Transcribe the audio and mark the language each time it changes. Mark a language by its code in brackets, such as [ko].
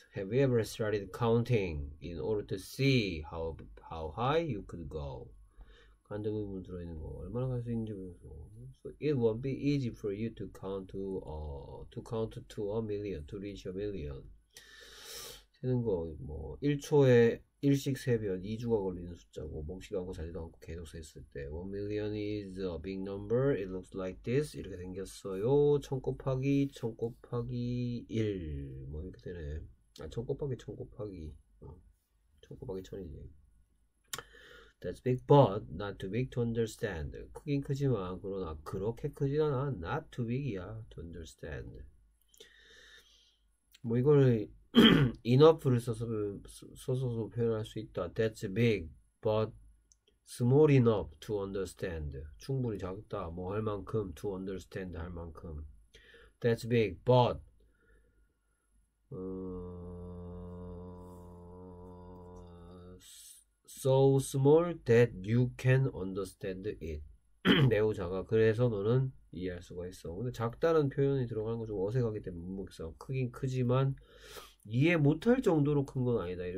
[en] Have you ever started counting in order to see how high you could go? [ko] 간접 의문 들어있는 거 얼마나 갈수 있는지 보면서. [en] So it won't be easy for you to count to a million, to reach a million. [ko] 세는 거뭐 1초에 1씩 세면 2주가 걸리는 숫자고, 몽식하고 자지도 않고 계속 셌을 때 [en] 1 million is a big number. It looks like this. [ko] 이렇게 생겼어요. 1000 곱하기 1000 곱하기 1뭐 이렇게 되네. 아1000 곱하기 1000 곱하기 1000 곱하기 1000이지. [en] That's big but not too big to understand. [ko] 크긴 크지만 그러나 그렇게 크진 않아. [en] Not too big이야. To understand. [ko] 뭐 이거를 enough를 써서 표현할 수 있다. [en] That's big, but small enough to understand. [ko] 충분히 작다. 뭐할 만큼, to understand 할 만큼. [en] That's big, but so small that you can understand it. [ko] 매우 작아. 그래서 너는 이해할 수가 있어. 근데 작다는 표현이 들어가는 건좀 어색하기 때문에 못 먹겠어. 크긴 크지만 이해 못할 정도로 큰건 아니다.